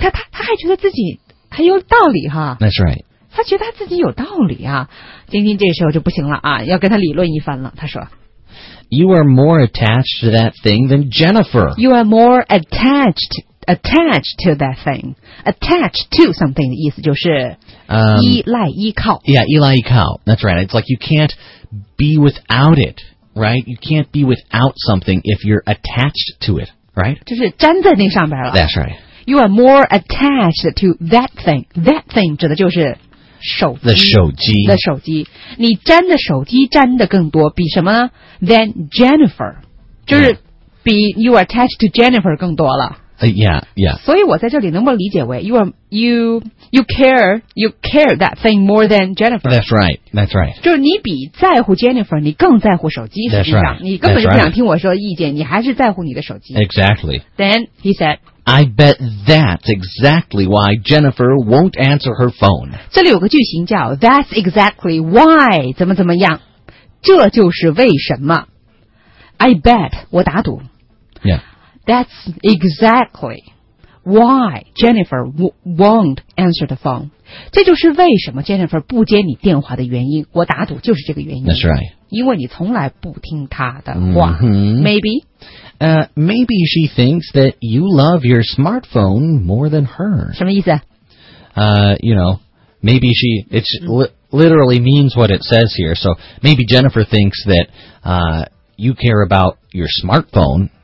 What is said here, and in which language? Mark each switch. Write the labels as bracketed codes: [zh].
[zh] 他还觉得自己很有道理哈。 [en] That's right. [zh] 他觉得他自己有道理啊。晶晶这时候就不行了啊，要跟他理论一番了。他说 [en] ，You are more attached to that thing than Jennifer. You are more attached to that thing. Attached to something [zh] 的意思就是依赖依靠。 [en] Yeah, [zh] 依赖依靠。 [en] That's right. It's like you can't be without it, right? You can't be without something if you're attached to it. Right? [zh] 就是粘在那上边了。 [en] That's right. You are more attached to that thing. That thing [zh] 指的就是手机。 [en] The 手机。 [zh] 你粘的手机粘的更多，比什么呢 ？ [en] Than Jennifer， [zh] 就是比 [en] you are attached to Jennifer [zh] 更多了。 [en] Yeah. [zh] 所以我在这里能不能理解为 [en] you care that thing more than Jennifer? That's right. [zh] 就是你比在乎 Jennifer， 你更在乎手机。 [en] That's right. [zh] 你根本就不想听我说意见，你还是在乎你的手机。 [en] Exactly. Then he said, "I bet that's exactly why Jennifer won't answer her phone." [zh] 这里有个句型叫 [en] "That's exactly why [zh] 怎么怎么样，这就是为什么。 [en] I bet [zh] 我打赌。 [en] Yeah. That's exactly why Jennifer won't answer the phone. [zh] 这就是为什么 Jennifer 不接你电话的原因。我打赌就是这个原因。 [en] That's right. [zh] 因为你从来不听她的话。 Mm-hmm. [en] Maybe. Maybe she thinks that you love your smartphone more than her. [zh] 什么意思？ [en] You know, maybe she... It's literally means what it says here. So maybe Jennifer thinks that you care about your smartphone...